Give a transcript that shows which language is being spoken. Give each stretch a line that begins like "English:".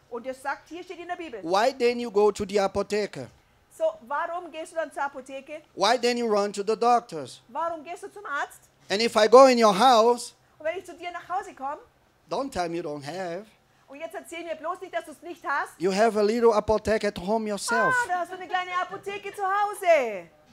German: Und es sagt, hier steht in der Bibel.
English: Why then you go to the Apotheke?
German: So, warum gehst du dann zur Apotheke?
English: Why then you run to the doctors?
German: Warum gehst du zum Arzt?
English: And if I go in your house,
German: und wenn ich zu dir nach Hause komme,
English: don't tell me you don't have.
German: Und jetzt erzähl mir bloß nicht, dass du es nicht hast.
English: You have a little Apotheke at home yourself.
German: Ah, da hast du eine kleine Apotheke zu Hause.